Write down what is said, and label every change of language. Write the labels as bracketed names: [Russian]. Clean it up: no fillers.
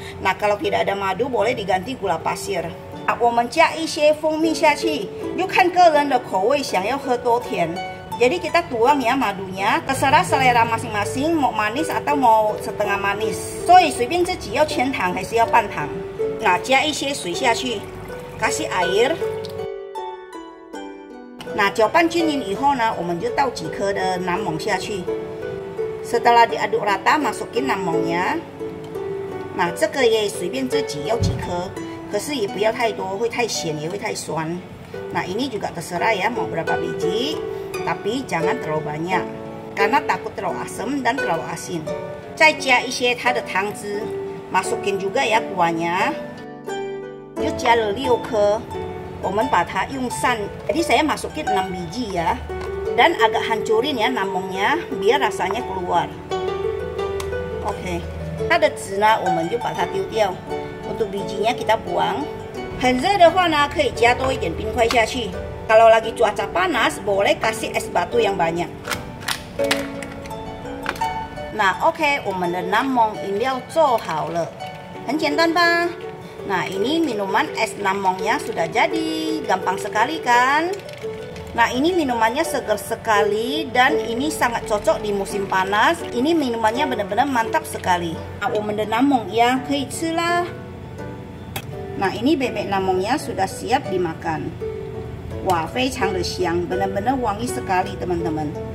[Indonesian] Nah, kalau tidak ada madu boleh diganti gula pasir. [Chinese] 啊，我们加一些蜂蜜下去，就看个人的口味，想要喝多甜。 [Indonesian] Jadi kita tuang ya madunya, terserah selera masing-masing mau manis atau mau setengah manis. [Chinese] So, 随便自己要全糖还是要半糖。 Nah, 加一些水下去， [Indonesian] kasih air. [Chinese] Nah, 搅拌均匀以后呢，我们就倒几颗的南蒙下去。 [Indonesian] Setelah diaduk rata, masukin namongnya. [Chinese] Nah, 这个也随便自己要几颗，可是也不要太多，会太咸也会太酸。 [Indonesian] Nah, ini juga terserah ya mau berapa biji. Tapi jangan terlalu banyak karena takut terlalu asam dan terlalu asin. [Chinese] 再加一些它的汤汁， [Indonesian] masukin juga ya kuahnya. [Chinese] 又加了六颗，我们把它用扇。 [Indonesian] Jadi saya masukin 6 biji ya dan agak hancurin ya namongnya biar rasanya keluar. [English] Oke, okay. [Chinese] 它的籽呢我们就把它丢掉， [Indonesian] untuk bijinya kita buang. [Chinese] 很热的话呢可以加多一点冰块下去。 [Indonesian] Kalau lagi cuaca panas, boleh kasih es batu yang banyak. [Chinese] Nah, oke, okay, 我们的namong inbiao 做好了。很简单吧? [Indonesian] Nah, ini minuman es namongnya sudah jadi. Gampang sekali kan? Nah, ini minumannya segar sekali dan ini sangat cocok di musim panas. Ini minumannya benar-benar mantap sekali. [Chinese] Nah, 我们的namong ya, 可以吃啦。 [Indonesian] Nah, ini bebek namongnya sudah siap dimakan. [Chinese] 哇，非常的香，真的真的香すぎる，朋友们。